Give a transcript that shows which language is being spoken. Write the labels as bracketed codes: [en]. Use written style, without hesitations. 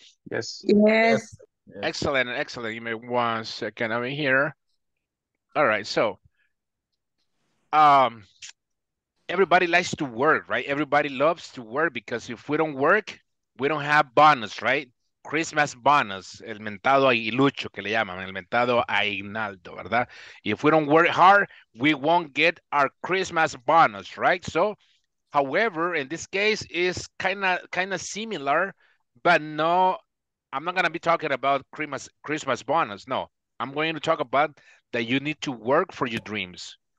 [en] Yes. Yes. Excellent. Excellent. Give me 1 second. I'm in here. All right. So, everybody likes to work, right? Everybody loves to work because if we don't work, we don't have bonus, right? [es] Christmas bonus, el mentado aguilucho que le llaman, el mentado aguinaldo, ¿verdad? [en] If we don't work hard, we won't get our Christmas bonus, right? So, however, in this case, it's kind of similar, but no, I'm not going to be talking about Christmas bonus, no. I'm going to talk about that you need to work for your dreams.